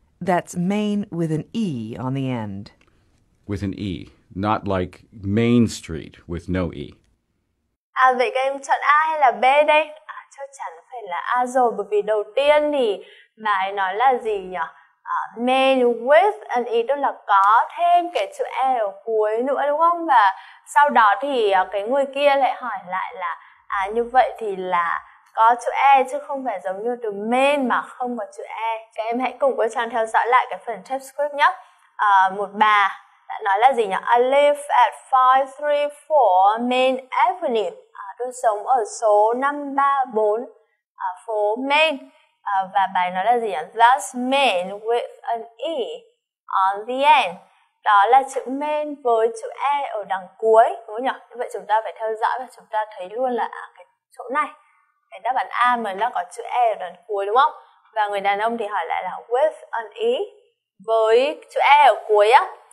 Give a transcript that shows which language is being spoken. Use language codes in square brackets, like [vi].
[en] That's Main with an E on the end. With an E, not like Main Street with no E. [vi] À, vậy các em chọn A hay là B đây? À, chắc chắn phải là A rồi, bởi vì đầu tiên thì mà ấy nói là gì nhỉ? Main with an E, tức là có thêm cái chữ E ở cuối nữa đúng không? Và sau đó thì cái người kia lại hỏi lại là à, như vậy thì là có chữ E chứ không phải giống như từ main mà không có chữ E. Các em hãy cùng cô Trang theo dõi lại cái phần transcript nhé. Một bà đã nói là gì nhỉ? [en] I live at 534 Main Avenue. [vi] Tôi sống ở số 534 phố Main. Và bài nói là gì nhỉ? [en] That's main with an E on the end. [vi] Đó là chữ main với chữ E ở đằng cuối, đúng không nhỉ? Vậy chúng ta phải theo dõi và chúng ta thấy luôn là à, cái chỗ này, cái đáp án A mà nó có chữ E ở đằng cuối đúng không? Và người đàn ông thì hỏi lại là with an E với chữ E ở cuối á.